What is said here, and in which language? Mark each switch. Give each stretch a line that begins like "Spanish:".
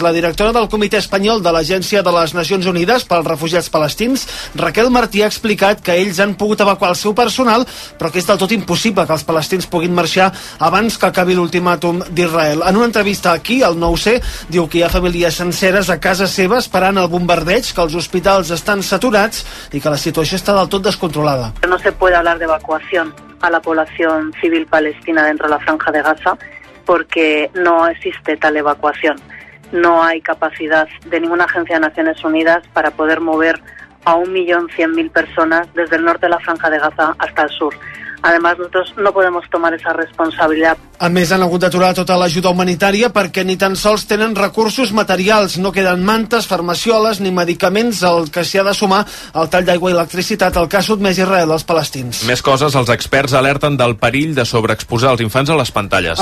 Catalan: La directora del Comitè Espanyol de l'Agència de les Nacions Unides pels Refugiats Palestins, Raquel Martí, ha explicat que ells han pogut evacuar el seu personal, però que és del tot impossible que els palestins puguin marxar abans que acabi l'ultimàtum d'Israel. En una entrevista aquí, el 9C diu que hi ha famílies senceres a casa seva esperant el bombardeig, que els hospitals estan saturats i que la situació està del tot descontrolada.
Spanish: No se puede hablar de evacuación a la población civil palestina dentro de la franja de Gaza, porque no existe tal evacuación. No hay capacidad de ninguna agencia de Naciones Unidas para poder mover a 1.100.000 personas desde el norte de la franja de Gaza hasta el sur. Además, nosotros no podemos tomar esa responsabilidad.
Catalan: A més, han hagut d'aturar tota l'ajuda humanitària perquè ni tan sols tenen recursos materials. No queden mantes, farmacioles ni medicaments, el que s'hi ha de sumar al tall d'aigua i electricitat, el que ha sotmès Israel als palestins. Més coses, els experts alerten del perill de sobreexposar els infants a les pantalles.